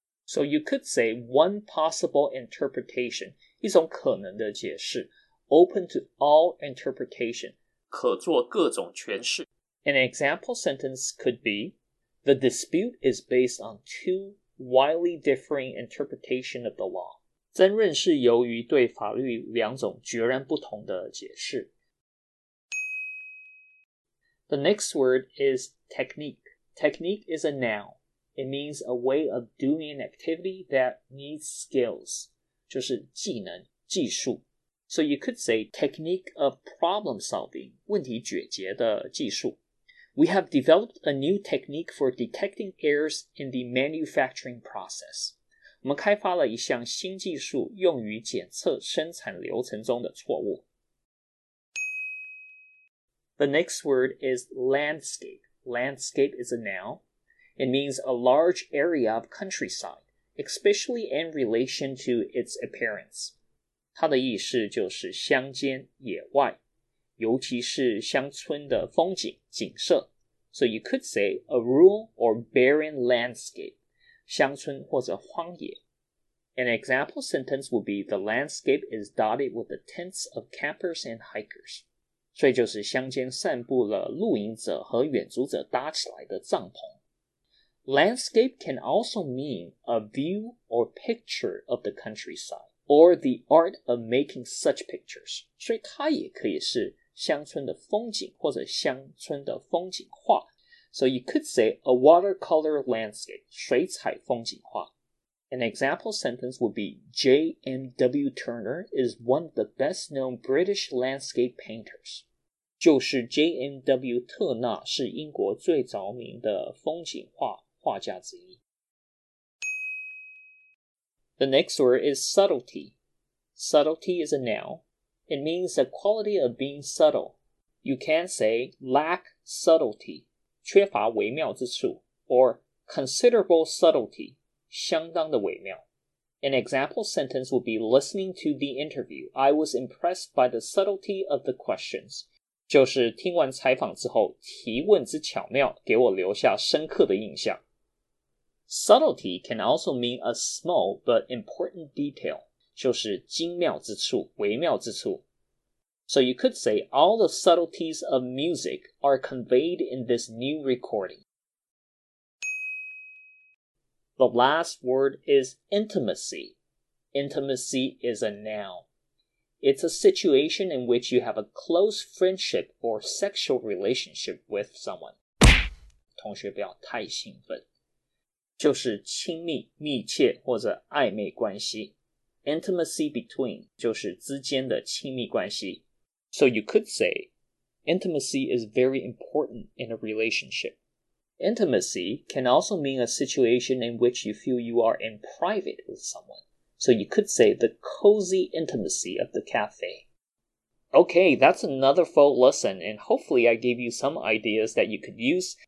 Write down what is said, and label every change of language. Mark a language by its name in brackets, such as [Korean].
[English] So you could say one possible interpretation, [Chinese] 一种可能的解释, [English] open to all interpretation, [Chinese] 可做各种诠释。 [English] An example sentence could be, The dispute is based on two widely differing interpretations of the law. [Chinese] 争论是由于对法律两种截然不同的解释。 [English] The next word is technique. Technique is a noun. It means a way of doing an activity that needs skills. [Chinese] 就是技能、技术。 [English] So you could say technique of problem solving, [Chinese] 问题解决的技术。 [English] We have developed a new technique for detecting errors in the manufacturing process. [Chinese] 我们开发了一项新技术用于检测生产流程中的错误。 [English] The next word is landscape. Landscape is a noun. It means a large area of countryside, especially in relation to its appearance. [Chinese] 它的意思就是乡间、野外，尤其是乡村的风景、景色。 [English] So you could say a rural or barren landscape, [Chinese] 乡村或者荒野。 [English] An example sentence would be the landscape is dotted with the tents of campers and hikers. [Chinese] 所以就是乡间散布了露营者和远足者搭起来的帐篷。 [English] Landscape can also mean a view or picture of the countryside, or the art of making such pictures. [Chinese] 所以它也可以是乡村的风景或者乡村的风景画。 [English] So you could say a watercolor landscape, [Chinese] 水彩风景画。 [English] An example sentence would be J.M.W. Turner is one of the best known British landscape painters. [Chinese] 就是 J.M.W. 特纳是英国最着名的风景画画家之一。 [English] The next word is subtlety. Subtlety is a noun. It means the quality of being subtle. You can say lack subtlety, [Chinese] 缺乏微妙之处, [English] or considerable subtlety. [Chinese] 相当的微妙。 [English] An example sentence would be listening to the interview. I was impressed by the subtlety of the questions. [Chinese] 就是听完采访之后，提问之巧妙给我留下深刻的印象。 [English] Subtlety can also mean a small but important detail, [Chinese] 就是精妙之处、微妙之处。 [English] So you could say all the subtleties of music are conveyed in this new recording. The last word is intimacy. Intimacy is a noun. It's a situation in which you have a close friendship or sexual relationship with someone. [Chinese] 同学不要太兴奋。就是亲密、密切或者暧昧关系。 [English] Intimacy between [Chinese] 就是之间的亲密关系。 [English] So you could say, intimacy is very important in a relationship. Intimacy can also mean a situation in which you feel you are in private with someone. So you could say the cozy intimacy of the cafe. Okay, that's another full lesson, and hopefully I gave you some ideas that you could use.